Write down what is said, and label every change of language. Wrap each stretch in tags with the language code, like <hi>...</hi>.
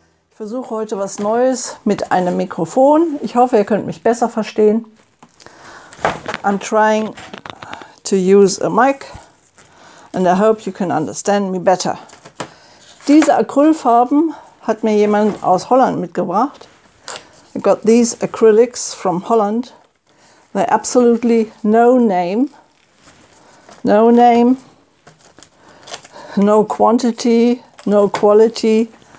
<de>Ich versuche heute was Neues mit einem Mikrofon. Ich hoffe, ihr könnt mich besser verstehen.</de> <en>I'm trying to use a mic and I hope you can understand me better.</en> <de>Diese Acrylfarben hat mir jemand aus Holland mitgebracht.</de> <en>I got these acrylics from Holland. They're absolutely no name. No name. No quantity. No quality.</en>